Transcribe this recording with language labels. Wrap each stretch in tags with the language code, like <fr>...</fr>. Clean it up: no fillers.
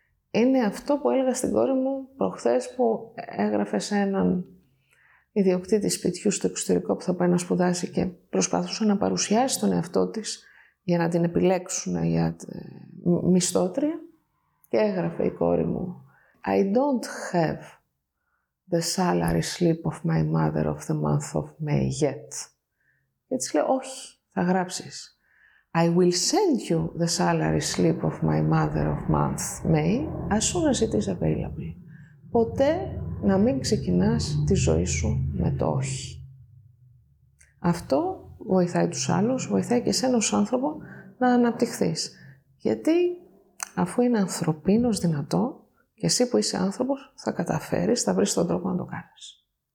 <el>Είναι αυτό που έλεγα στην κόρη μου προχθές που έγραφε σε έναν ιδιοκτήτη σπιτιού στο εξωτερικό που θα πάει να σπουδάσει και προσπαθούσε να παρουσιάσει τον εαυτό της για να την επιλέξουν για μισθότρια. Και έγραφε η κόρη μου</el> <en>I don't have the salary slip of my mother of the month of May yet.</en> <el>Και της λέω, όχι, θα γράψεις.</el> <en>I will send you the salary slip of my mother of month May as soon as it is available.</en> <el>Ποτέ να μην ξεκινάς τη ζωή σου με το όχι. Αυτό βοηθάει τους άλλους, βοηθάει και εσένα ως άνθρωπο να αναπτυχθείς. Γιατί αφού είναι ανθρωπίνος δυνατό και εσύ που είσαι άνθρωπος θα καταφέρεις, θα βρεις τον τρόπο να το κάνεις.</el>